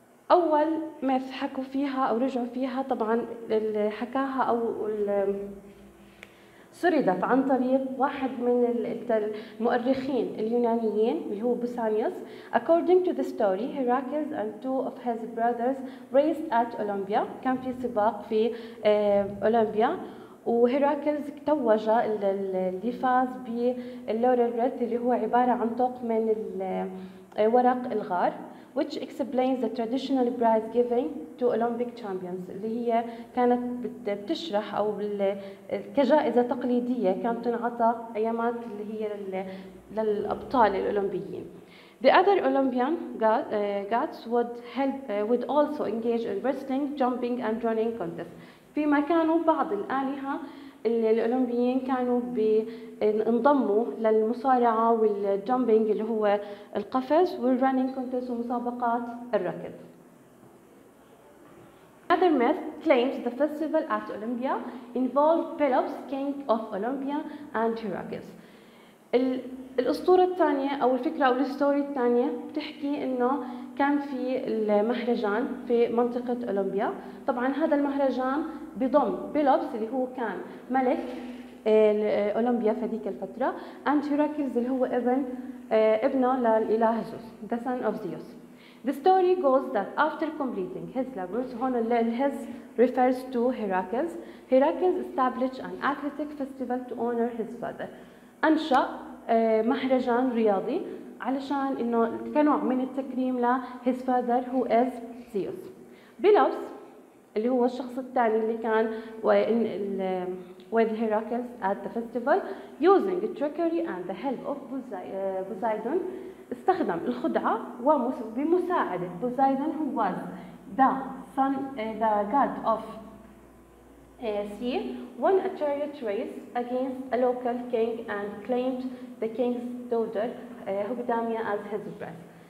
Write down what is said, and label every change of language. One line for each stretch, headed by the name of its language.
Arabic: اول myth حكوا فيها او رجعوا فيها طبعا اللي حكاها او سردت عن طريق واحد من المؤرخين اليونانيين اللي هو بوسانيوس.
English: According to the story, Heracles and two of his brothers raced at Olympia.
Arabic: كان في سباق في أولمبيا وهيراكلز توج اللي فاز باللوريث اللي هو عبارة عن طوق من ورق الغار.
English: Which explains the traditional prize giving to Olympic champions.
Arabic: اللي هي كانت بتشرح أو كجائزة تقليدية كانت تنعطى أيامات اللي هي للأبطال الأولمبيين.
English: The other Olympian gods would also engage in wrestling, jumping, and running contests.
Arabic: فيما كانوا بعض الآلهة الأولمبيين كانوا بانضموا للمصارعة والجامبينج اللي هو القفز والرانينج كونتست ومسابقات الركض.
English: Another myth claims the festival at Olympia involved Pelops, king of Olympia, and Heracles.
Arabic: الأسطورة الثانية أو الفكرة أو الستوري الثانية بتحكي إنه كان في المهرجان في منطقة أولمبيا. طبعاً هذا المهرجان بضم بيلوبس اللي هو كان ملك أولمبيا في ذيك الفترة،
English: and Heracles
Arabic: اللي هو ابنه للإله زوس,
English: the son of Zeus. The story goes that after completing his labors,
Arabic: هون
English: his refers to Heracles. Heracles established an athletic festival to honor his father.
Arabic: أنشأ مهرجان رياضي علشان إنه كنوع من التكريم
English: لهيز فادر هو is Zeus.
Arabic: بيلوبس اللي هو الشخص الثاني اللي كان
English: with Heracles at the festival using trickery and the help of Poseidon
Arabic: استخدم الخدعة بمساعدة
English: Poseidon who was the god of sea won a chariot race against a local king and claimed the king's daughter Hippodamia as his bride.